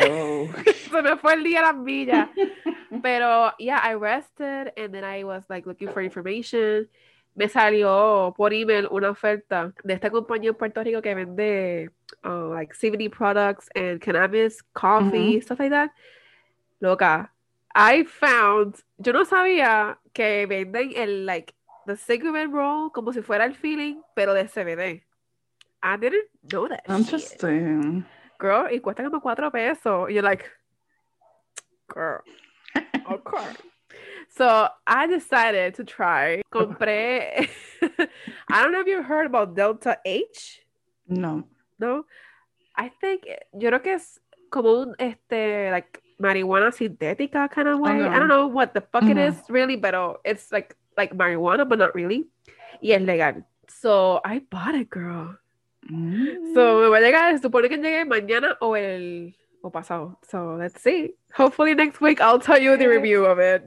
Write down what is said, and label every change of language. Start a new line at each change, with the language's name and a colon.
Spanish: Se me fue el día a la milla.
English: Pero, I rested, and then I was, like, looking for information,
Spanish: me salió por email una oferta de esta compañía en Puerto Rico que vende
English: like CBD products and cannabis, coffee, stuff like that.
Spanish: Loca,
English: I found,
Spanish: yo no sabía que venden el
English: like the cigarette roll
Spanish: como si fuera el filling, pero de CBD.
English: I didn't know that shit. Interesting. Girl,
Spanish: y cuesta como $4.
English: You're like, girl, okay. So I decided to try.
Spanish: Compré.
English: I don't know if you've heard about Delta H. No.
Spanish: No.
English: I think,
Spanish: yo creo que es como un, like, marijuana sintética
English: kind of way. I don't know what the fuck it is really, but it's like marijuana, but not really.
Spanish: Y es legal.
English: So I bought it, girl.
Spanish: So me va a llegar, se supone que llegue mañana o el. O pasado.
English: So let's see. Hopefully next week I'll tell you the review of it.